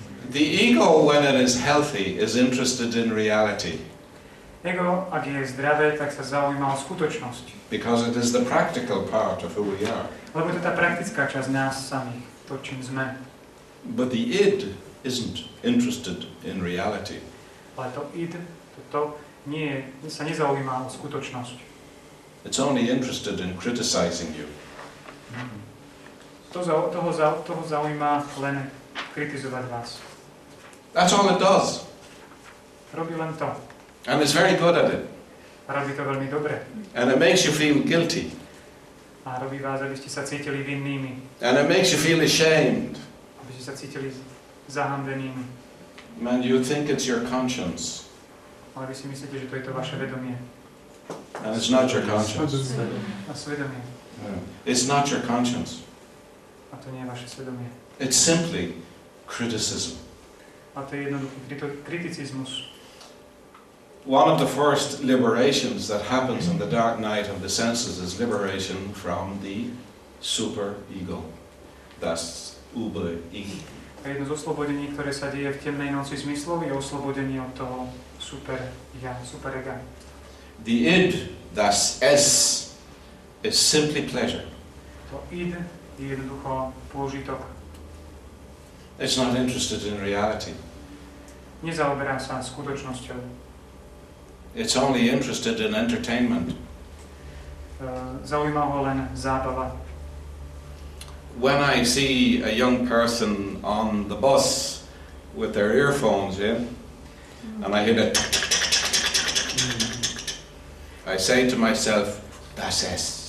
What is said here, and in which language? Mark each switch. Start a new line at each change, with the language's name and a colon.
English: The ego, when it is healthy, is interested in reality.
Slovak: Ego, ak je zdravé, tak sa zaujíma o skutočnosť.
English: Because it is the practical part of who we are.
Slovak: Lebo to je tá praktická časť nás samých, to čím sme.
English: But the id, isn't interested in reality. But the id,
Slovak: to nie, sa nezaujíma o skutočnosť.
English: It's only interested in criticizing you.
Slovak: Toho zaujíma len kritizovať vás.
English: That's all it does.
Slovak: Robí len to.
English: And it's very good at it.
Slovak: Robí to veľmi dobre.
English: And it makes you feel guilty.
Slovak: A robí vás, aby ste sa cítili vinnými.
English: And it makes you feel ashamed.
Slovak: Aby ste sa cítili zahambenými.
English: And you think it's your conscience.
Slovak: Ale vy si myslíte, že to je to vaše vedomie.
English: And it's not your conscience.
Slovak: A svedomie.
English: It's not your conscience.
Slovak: A to nie je vaše svedomie.
English: It's simply criticism.
Slovak: A to je jednoduchý kriticizmus.
English: One of the first liberations that happens on the dark night of the senses is liberation from the super-ego. That's uber-ego.
Slovak: A jedno z oslobodení, ktoré sa deje v temnej noci zmyslov, je oslobodenie od toho super-ja, super-ega.
English: The id, that's es, is simply pleasure.
Slovak: To id je jednoducho pôžitok.
English: It's not interested in reality.
Slovak: Nezaoberá sa skutočnosťou.
English: It's only interested in entertainment.
Slovak: Zaujíma ho len zábava.
English: When I see a young person on the bus with their earphones in, and I hear a I say to myself, that's S.